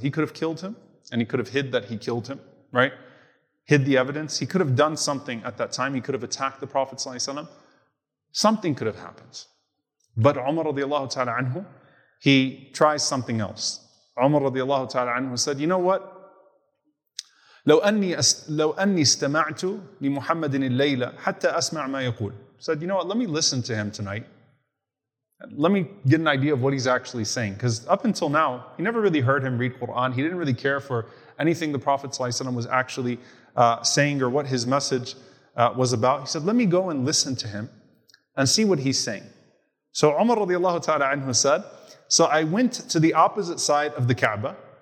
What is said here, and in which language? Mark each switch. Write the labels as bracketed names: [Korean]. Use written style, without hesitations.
[English] He could have killed him, and he could have hid that he killed him, right? Hid the evidence. He could have done something at that time. He could have attacked the Prophet ﷺ. Something could have happened. But Umar radiallahu ta'ala anhu, he tries something else. Umar radiallahu ta'ala anhu said, you know what? [Arabic] لو أني استمعت لمحمد الليلة حتى أسمع ما يقول. [English] Said, you know what, let me listen to him tonight. Let me get an idea of what he's actually saying. Because up until now, he never really heard him read Quran. He didn't really care for anything the Prophet ﷺ was actually saying or what his message was about. He said, let me go and listen to him and see what he's saying. So Umar radiallahu ta'ala anhu said, so I went to the opposite side of the Kaaba.